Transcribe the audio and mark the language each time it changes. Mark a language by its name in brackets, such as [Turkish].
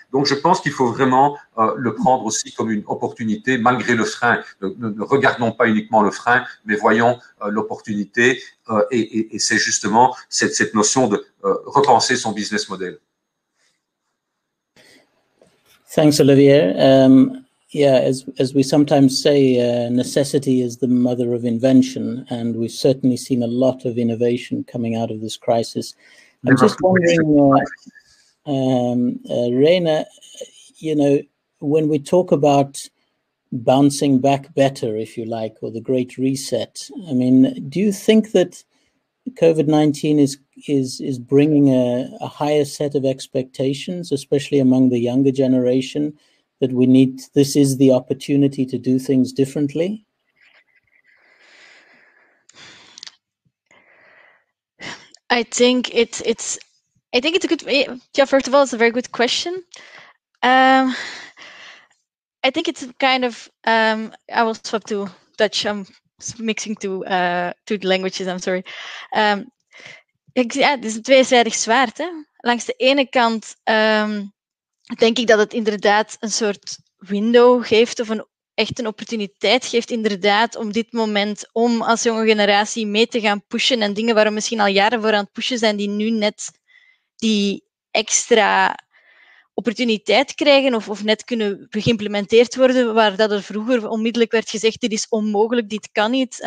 [French] Donc, je pense qu'il faut vraiment le prendre aussi comme une opportunité, malgré le frein. Ne regardons pas uniquement le frein, mais voyons l'opportunité. Et c'est justement cette notion de repenser son business model. [English] Thanks, Olivier. As we sometimes say, necessity is the mother of invention, and we've certainly seen a lot of innovation coming out of this crisis. I'm just wondering, Reine, you know, when we talk about bouncing back better, if you like, or the Great Reset, I mean, do you think that COVID-19 is bringing a higher set of expectations, especially among the younger generation, that we need, this is the opportunity to do things differently? I think it's a good, yeah, first of all, it's a very good question. I think it's kind of, I will swap to Dutch. Mixing two languages, I'm sorry. [Dutch] Het is een tweezijdig zwaard, hè. Langs de ene kant denk ik dat het inderdaad een soort window geeft of een opportuniteit geeft inderdaad om dit moment om als jonge generatie mee te gaan pushen en dingen waar we misschien al jaren voor aan het pushen zijn die nu net die extra opportuniteit krijgen of net kunnen geïmplementeerd worden, waar dat er vroeger onmiddellijk werd gezegd, dit is onmogelijk, dit kan niet.